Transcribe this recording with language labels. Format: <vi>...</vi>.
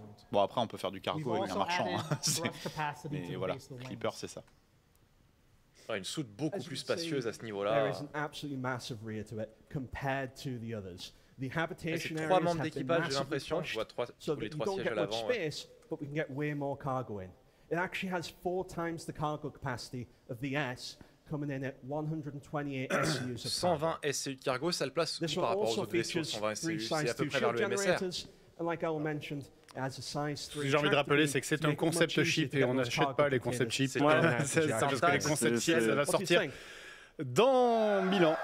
<fr>Bon, après, on peut faire du cargo avec un marchand. Mais voilà, Clipper, c'est ça. Ah, une soute beaucoup plus spacieuse à ce niveau-là. C'est trois membres d'équipage, j'ai l'impression. Je vois tous les trois sièges à l'avant.</fr> <en>Space, but we can get way more cargo in. It actually has four times the cargo capacity of the S, coming in at 128 SCU.</en> <fr>120 SCU de cargo, ça le place par rapport aux autres vaisseaux. 120 SCU, c'est à peu près vers le MSR.</fr> <en>And like Owen mentioned,</en> <fr>ce que j'ai envie de rappeler, c'est que c'est un concept ship et on n'achète pas les concept ships. Ça va sortir dans 1000 ans.</fr>